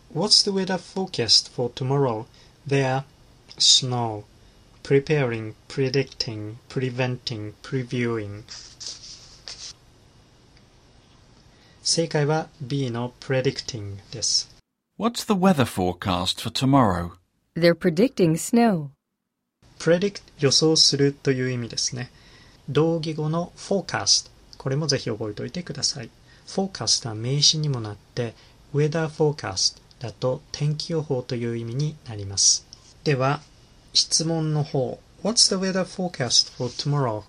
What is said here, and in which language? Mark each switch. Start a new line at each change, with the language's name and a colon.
English: What's the weather forecast for tomorrow? There, snow. Preparing, predicting, preventing, previewing.
Japanese: 正解は B の predicting です。
English: What's the weather forecast for tomorrow? They're predicting snow.
Japanese: Predict 予想するという意味ですね。同義語の forecast、これもぜひ覚えておいてください。 Forecast は名詞にもなって、Weather Forecast だと天気予報という意味になります。では、質問の方。
English: What's the weather forecast for tomorrow?